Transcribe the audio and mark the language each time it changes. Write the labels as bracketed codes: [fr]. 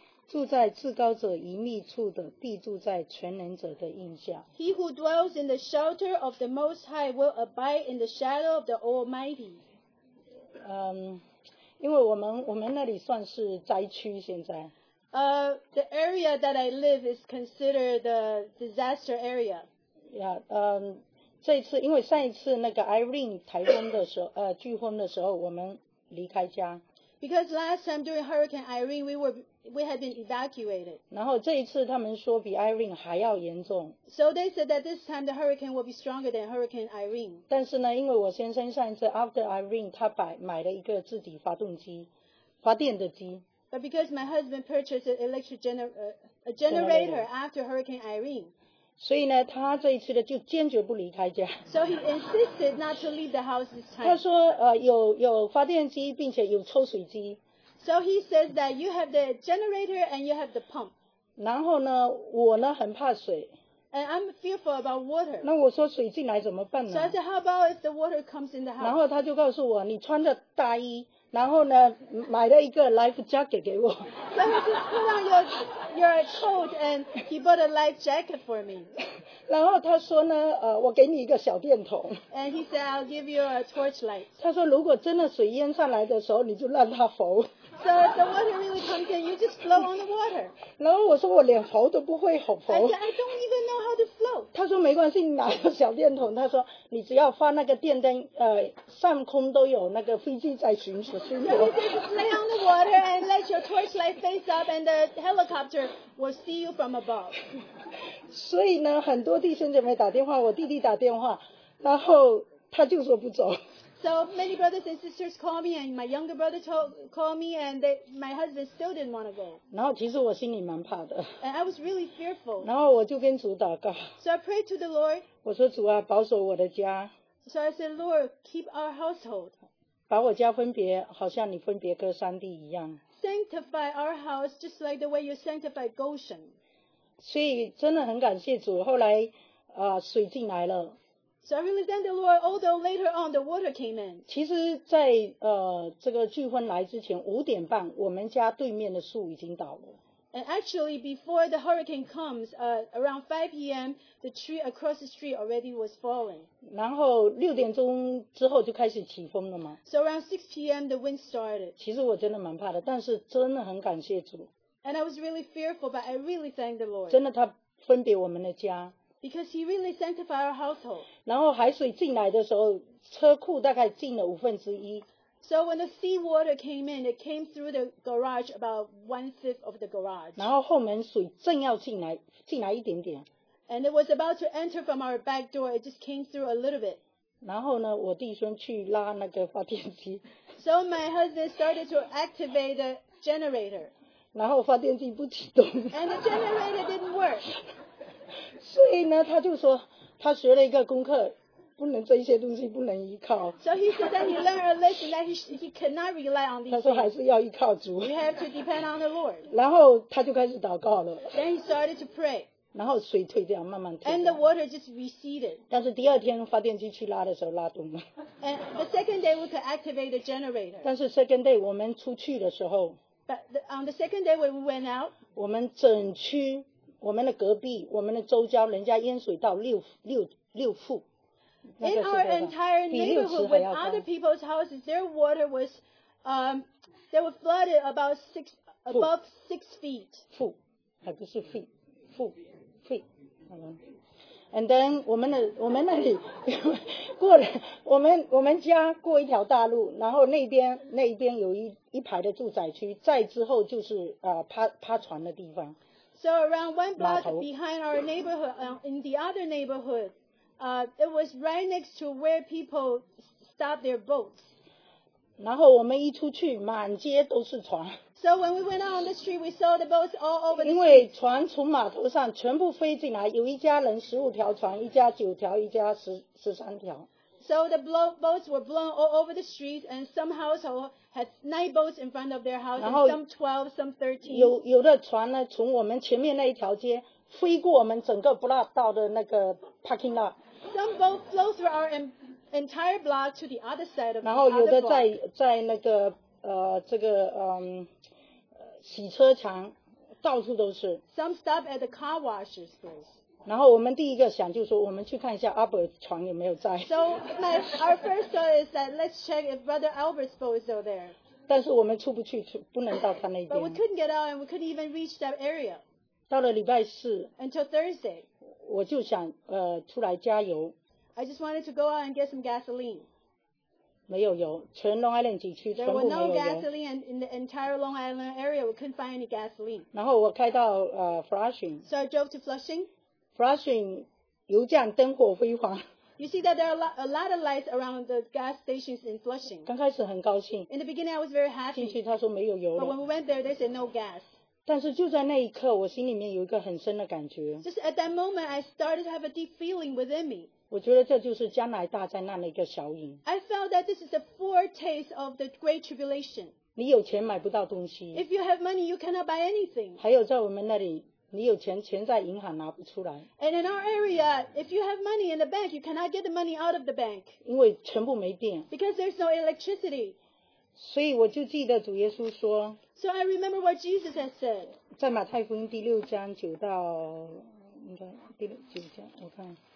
[zh] 住在至高者隐秘处的必住在全能者的荫下。 [en] He who dwells in the shelter of the Most High will abide in the shadow of the Almighty. [zh] 因为我们那里算是灾区现在。 [en] The area that I live is considered the disaster area. [zh] Yeah, 这一次因为上一次那个 Irene 台风的时候飓风的时候我们离开家。 [en] Because last time during Hurricane Irene, we had been evacuated. [zh] 然后这一次他们说比 Irene 还要严重。 [en] So they said that this time the hurricane will be stronger than Hurricane Irene. [zh] 但是呢，因为我先生上一次 [en] after Irene, [zh] 他买了一个自己发动机，发电的机。 [en] But because my husband purchased an electric generator after Hurricane Irene. [zh] 所以呢，他这一次呢就坚决不离开家。 [en] So he insisted not to leave the house this time. [zh] 他说有发电机，并且有抽水机。 [en] So he says that you have the generator and you have the pump. [zh] 然后呢，我呢很怕水。 [en] And I'm fearful about water. [zh] 那我说水进来怎么办呢 [en] ？So I said, how about if the water comes in the house? [zh] 然后他就告诉我，你穿着大衣，然后呢买了一个 [en] life jacket [zh] 给我。 [en] So he just put on your coat and he bought a life jacket for me. [zh] 然后他说呢，我给你一个小电筒。 [en] And he said, I'll give you a torchlight. [zh] 他说如果真的水淹上来的时候，你就让它浮。 [en] So if the water really comes in, you just flow on the water. [zh] 然后我说我连浮都不会浮。 [en] I said, I don't even know how to float. [zh] 他说没关系，你拿个小电筒。他说你只要发那个电灯，上空都有那个飞机在巡逻。 [en] So he said, just lay on the water and let your torchlight face up and the helicopter will see you from above. [zh] 所以呢，很多弟兄姐妹打电话，我弟弟打电话，然后他就说不走。 [en] So many brothers and sisters called me, and my younger brother called me, and my husband still didn't want to go. [zh] 然后其实我心里蛮怕的。 [en] And I was really fearful. [zh] 然后我就跟主祷告。 [en] So I prayed to the Lord. [zh] 我说主啊，保守我的家。 [en] So I said, Lord, keep our household. [zh] 把我家分别，好像你分别割山地一样。 [en] Sanctify our house just like the way you sanctified Goshen. [zh] 所以真的很感谢主，后来水进来了。 [en] So I really thank the Lord, although later on the water came in. [zh] 其实在这个飓风来之前五点半我们家对面的树已经倒了。 [en] And actually before the hurricane comes, around 5 p.m, the tree across the street already was falling. [zh] 然后六点钟之后就开始起风了嘛。 [en] So around 6 p.m, the wind started. [zh] 其实我真的蛮怕的，但是真的很感谢主。 [en] And I was really fearful, but I really thank the Lord. [zh] 真的他分别我们的家。 [en] Because he really sanctified our household. [zh] 然后海水进来的时候，车库大概进了五分之一。 [en] So when the sea water came in, it came through the garage about 1/5 of the garage. [zh] 然后后门水正要进来一点点。 [en] And it was about to enter from our back door, it just came through a little bit. [zh] 然后呢，我弟兄去拉那个发电机。 [en] So my husband started to activate the generator. [zh] 然后发电机不启动。 [en] And the generator didn't work. [zh] 所以呢，他就说他学了一个功课，不能这些东西不能依靠。 [en] So he said that he learned a lesson that he cannot rely on these. [zh] 他说还是要依靠主。 [en] You have to depend on the Lord. [zh] 然后他就开始祷告了。 [en] Then he started to pray. [zh] 然后水退掉，慢慢退掉。 [en] And the water just receded. [zh] 但是第二天发电机去拉的时候拉动了。 [en] And the second day we could activate the generator. [zh] 但是 [en] second day [zh] 我们出去的时候。 [en] But on the second day when we went out. [zh] 我们整区。我们的隔壁，我们的周遭，人家淹水到六户。 [en] In our entire neighborhood, with other people's houses, their water was, they were flooded about six above 6 feet. [zh] 户，还不是 feet， 户 feet。 [en] And then [zh] 我们那里过了，我们家过一条大路，然后那边有一排的住宅区，再之后就是趴船的地方。 [en] So around one block behind our neighborhood, in the other neighborhood, it was right next to where people stopped their boats. [zh] 然后我们一出去，满街都是船。 [en] So when we went out on the street, we saw the boats all over the [zh] street. 因为船从码头上全部飞进来，有一家人15条船，一家9条，一家13条。 [en] So the boats were blown all over the streets, and some households had 9 boats in front of their house, and some 12, some 13. [zh] 有的船呢，从我们前面那一条街飞过我们整个 block 到的那个 [en] parking lot. Some boats flow through our entire block to the other side of the [zh] block. 然后有的在那个这个洗车场，到处都是。 [en] Some stop at the car washers place. [zh] 然后我们第一个想就是说，我们去看一下 Albert 船有没有在。 [en] So my our first thought is that let's check if Brother Albert's boat is still there. [zh] 但是我们出不去，不能到他那边。 [en] But we couldn't get out and we couldn't even reach that area. [zh] 到了礼拜四。 [en] Until Thursday. [zh] 我就想出来加油。 [en] I just wanted to go out and get some gasoline. [zh] 没有油，全 Long Island 地区全部没有油。 [en] There was no gasoline in the entire Long Island area. We couldn't find any gasoline. [zh] 然后我开到Flushing. [en] So I drove to Flushing. [zh] Flushing, 油站灯火辉煌。 [en] You see that there are a lot of lights around the gas stations in Flushing. [zh] 刚开始很高兴。 [en] In the beginning, I was very happy. [zh] 进去他说没有油了。 [en] But when we went there, they said no gas. [zh] 但是就在那一刻，我心里面有一个很深的感觉。 [en] Just at that moment, I started to have a deep feeling within me. [zh] 我觉得这就是加拿大灾难的一个小影。 [en] I felt that this is a foretaste of the Great Tribulation. [zh] 你有钱买不到东西。 [en] If you have money, you cannot buy anything. [zh] 还有在我们那里。你有钱，钱在银行拿不出来。 [en] And in our area, if you have money in the bank, you cannot get the money out of the bank. [zh] 因为全部没电。 [en] Because there's no electricity. [zh] 所以我就记得主耶稣说。 [en] So I remember what Jesus had said. [zh] 在马太福音第六章九到，应该第六九章，我看。